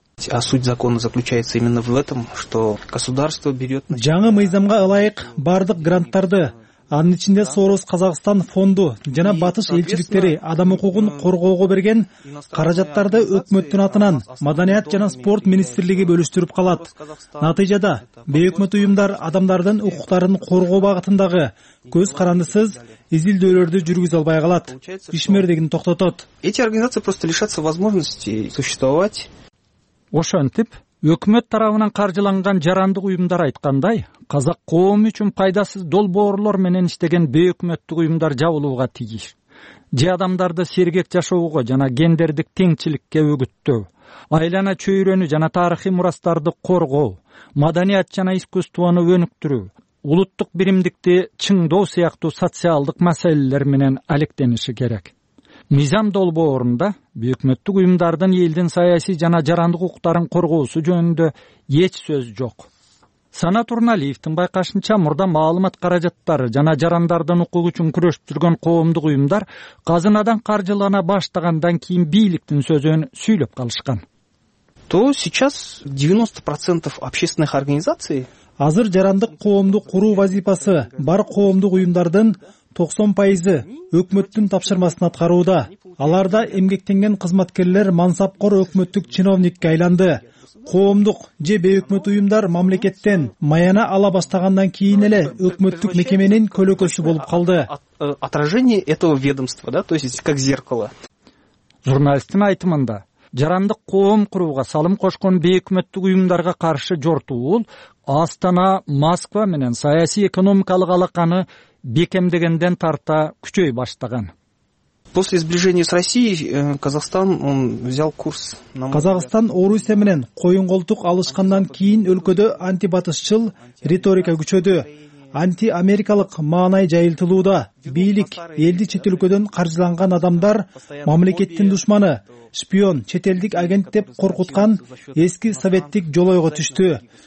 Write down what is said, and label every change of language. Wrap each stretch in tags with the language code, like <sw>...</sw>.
<ru>А суть закона заключается именно в этом, что государство берет...</ru> <ky>Жаңы мыйзамга ылайык бардык гранттарды, анын ичинде Сорос Казакстан фонду жана Батыш элчиликтери адам укугун коргоого берген каражаттарды өкмөттүн атынан Маданият жана спорт министрлиги бөлүштүрүп калат. Натыйжада бейөкмөт уюмдар адамдардын укуктарын коргоо багытындагы көз карандысыз изилдөөлөрдү жүргүзө албай калат, ишмердигин токтотот.</ky> <ru>Эти организации просто лишатся возможности существовать.</ru> <ky>Ошентип, өкмөт тарабынан каржыланган жарандык уюмдар айткандай, казак коому үчүн пайдасыз долбоорлор менен иштеген бейөкмөттүк уюмдар жабылууга тийиш. Же адамдарды сергек жашоого жана гендердик теңчиликке үгүттөө, айлана чөйрөнү жана тарыхый мурастарды коргоо, маданият жана искусствону өнүктүрүү, улуттук биримдикти чыңдоо сыяктуу социалдык маселелер менен алектениши керек. Мыйзам долбоорунда өкмөттүк уюмдардын элдин саясий жана жарандык укуктарын коргоосу жөнүндө эч сөз жок. Санат Урналиевтин байкашынча, мурда маалымат каражаттары жана жарандардын укугу үчүн күрөшүп жүргөн коомдук уюмдар казынадан каржылана баштагандан кийин бийликтин сөзүн сүйлөп калышкан.</ky> <ru>То сейчас 90% общественных организаций.</ru> <ky>Азыр жарандык коомду куруу вазифасы бар коомдук уюмдардын 90% өкмөттүн тапшырмасын аткарууда. Аларда эмгектенген кызматкерлер мансапкор өкмөттүк чиновникке айланды. Коомдук же бейөкмөт уюмдар мамлекеттен маяна ала баштагандан кийин эле өкмөттүк мекеменин көлөкөсү болуп калды.</ky> <ru>Отражение этого ведомства, да, то есть как зеркало.</ru> <ky>Журналисттин айтымында жарандык коом курууга салым кошкон бейөкмөттүк уюмдарга каршы жортуу Астана, Москва менен саясий экономикалык алаканы бекемдегенден тарта күчөй баштаган.</ky> <ru>После сближения с Россией Казахстан он взял курс</ru> <ky>на Казахстан Орусия менен коюн колтук алышкандан кийин өлкөдө антибатышчыл риторика күчөдү. Антиамерикалык маанай жайылтылууда. Бийлик элди чет өлкөдөн каржыланган адамдар мамлекеттин душманы, шпион, чет элдик агент деп коркуткан эски советтик жолойго түштү.</ky>